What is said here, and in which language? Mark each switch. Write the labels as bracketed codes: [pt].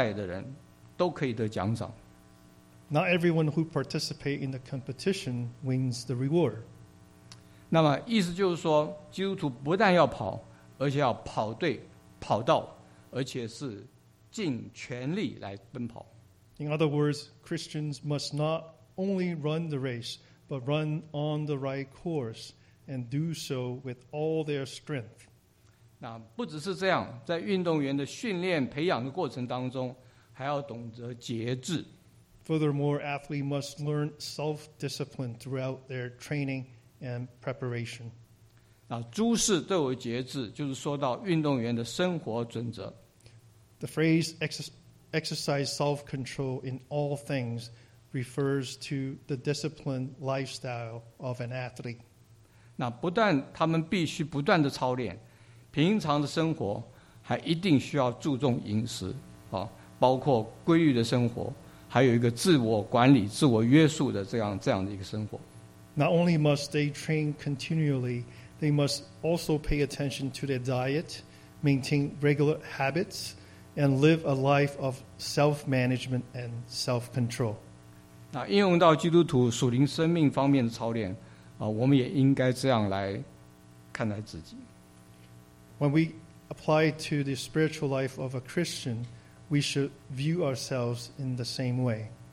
[zh] 并不是所有参赛的人都可以得奖赏。 [en] Not everyone who participates in the competition wins the reward. [zh] 那么意思就是说, 基督徒不但要跑, 而且要跑对, 跑道, 而且是尽全力来奔跑。 [en] In other words, Christians must not only run the race, but run on the right course. And do so with all their strength. [zh] 那不只是这样, 在运动员的训练培养的过程当中, 还要懂得节制。 [en] Furthermore, athletes must learn self-discipline throughout their training and preparation. [zh] 那诸事都有节制, 就是说到运动员的生活准则。 [en] The phrase exercise self-control in all things refers to the disciplined lifestyle of an athlete. [zh] 那不但他们必须不断地操练, 平常的生活, 还一定需要注重饮食, 包括规律的生活, 还有一个自我管理, 自我约束的这样, 这样的一个生活。 [en] Not only must they train continually, they must also pay attention to their diet, maintain regular habits, and live a life of self-management and self-control. [zh] 那应用到基督徒属灵生命方面的操练, 我们也应该这样来看待自己。 [en] When we apply to the spiritual life of a Christian, we should view ourselves in the same way.